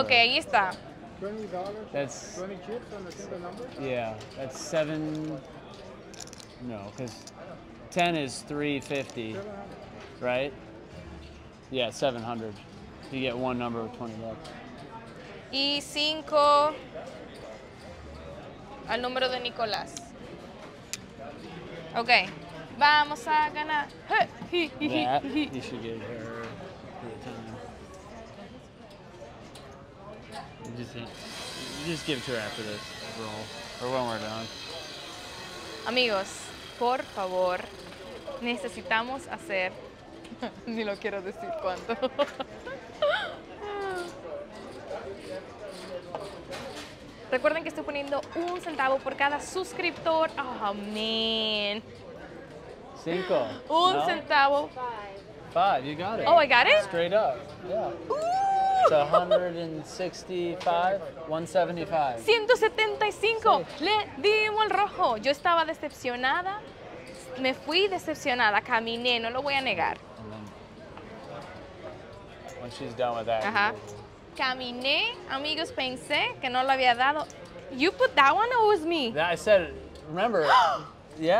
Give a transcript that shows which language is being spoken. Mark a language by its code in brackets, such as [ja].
[es] Okay, ahí está. [en] $20? That's 20 chips on a single number? Yeah, that's 7. No, because 10 is 350, right? Yeah, 700. You get one number of 20 bucks. [es] Y cinco al número de Nicolás. Okay. Vamos a ganar. [en] That, you should give her the time. You just give it to her after this roll. Or when we're done. [es] Amigos, por favor, necesitamos hacer... Ni lo quiero decir cuánto. Recuerden que estoy poniendo un centavo por cada suscriptor. [en] Oh, man. [es] Cinco. Un centavo. [en] Five, you got it. Oh, I got it? Straight up, yeah. It's 175. [es] 175. Le dimos el rojo. Yo estaba decepcionada. Me fui decepcionada. Caminé, no lo voy a negar. [en] When she's done with that. Uh-huh. [es] Caminé, amigos, pensé que no lo había dado. [en] You put that one or was me? That I said, remember, yeah.